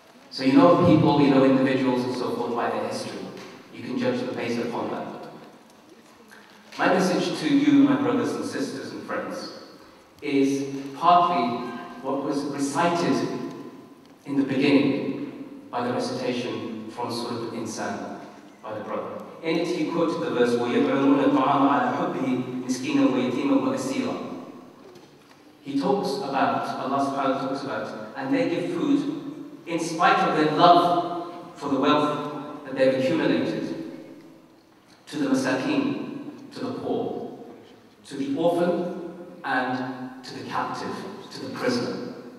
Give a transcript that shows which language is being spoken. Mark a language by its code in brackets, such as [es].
[en] So you know people, you know individuals, and so forth by their history. You can judge them based upon that. My message to you, my brothers and sisters and friends, is partly what was recited in the beginning by the recitation from Surah Insan by the brother. In it, he quoted the verse, [ar] وَيَبْعُونَ الْطَعَامَ عَلَى حُبِّهِ مِسْكِينًا وَيَتِيمًا وَأَسِيرًا. [en] He talks about, Allah subhanahu wa ta'ala talks about, and they give food in spite of their love for the wealth that they've accumulated to the masakin, to the poor, to the orphan, and to the captive, to the prisoner.